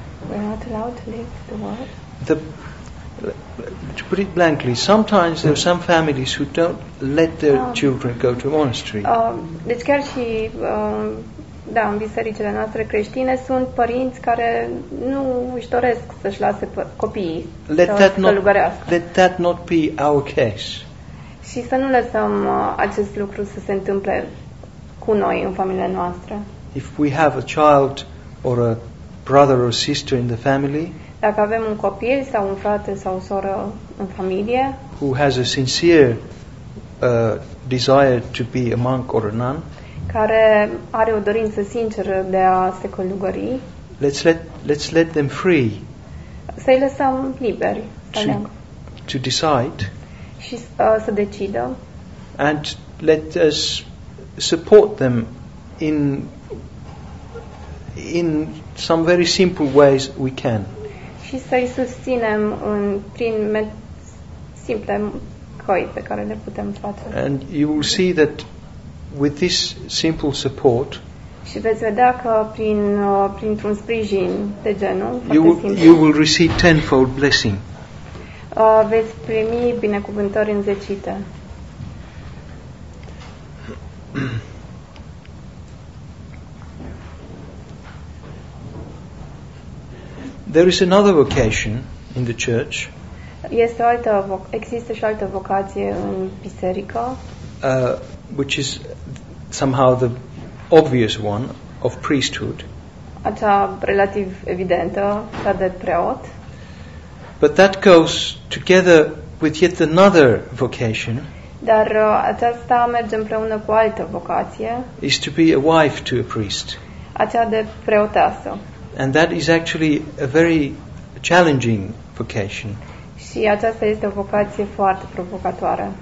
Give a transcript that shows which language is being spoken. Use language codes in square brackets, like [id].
[en] We're not allowed to leave the world. The, to put it blankly, sometimes there are some families who don't let their children go to a monastery. [ro] Deci chiar și da, în bisericile noastre creștine sunt părinți care nu își doresc să-și lase copiii să călugărească. [en] Let that not be our case. [ro] Și să nu lăsăm acest lucru să se întâmple cu noi în familiile noastre. [en] If we have a child or a brother or sister in the family, [ro] dacă avem un copil sau un frate sau o soră în familie, [en] who has a sincere desire to be a monk or a nun, [ro] care are o dorință sinceră de a se călugări, [en] let's let them free. [ro] Să-i lăsăm liberi [en] to decide. [ro] Și să decidă. [en] And let us support them in some very simple ways we can. [ro] Și să-i susținem în prin simple căi pe care le putem face. [en] And you will see that with this simple support, [ro] și veți vedea că prin printr-un sprijin de genul, [en] you will receive tenfold blessing. [ro] Veți primi binecuvântări înzecite. [en] There is another vocation in the church. [ro] Este o altă există și altă vocație în biserică. [en] Which is somehow the obvious one of priesthood. [ro] Acea relativ evidentă, cea de preot. [en] But that goes together with yet another vocation. [ro] Dar aceasta merge împreună cu altă vocație. [en] Is to be a wife to a priest. [ro] Acea de preoteasă. [en] And that is actually a very challenging vocation. [ro] Și aceasta este o vocație foarte provocatoare.